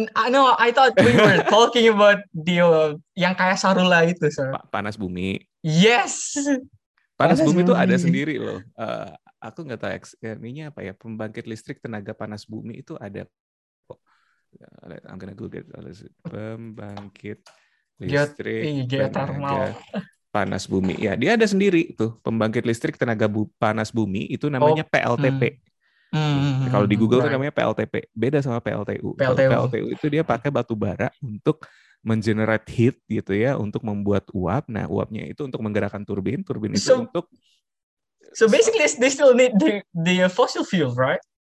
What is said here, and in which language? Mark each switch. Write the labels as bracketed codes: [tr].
[en] No, I thought we were talking about [id] yang kayak sarula itu, [en] sir. [id] Panas bumi. [en] Yes. [id] Panas bumi itu ada sendiri loh. Aku nggak tahu ekskernya apa ya. Pembangkit listrik tenaga panas bumi itu ada. [en] I'm gonna Google it. [id] Pembangkit listrik [en] geothermal. [id] Panas bumi. Ya, dia ada sendiri tuh. Pembangkit listrik tenaga panas bumi itu namanya PLTP. Kalau di Google itu namanya PLTP, beda sama PLTU. PLTU itu dia pakai batu bara untuk mengenerate heat gitu ya, untuk membuat uap. Nah, uapnya itu untuk menggerakkan turbin, turbin itu untuk. [en] So basically, they still need the fossil fuel, right?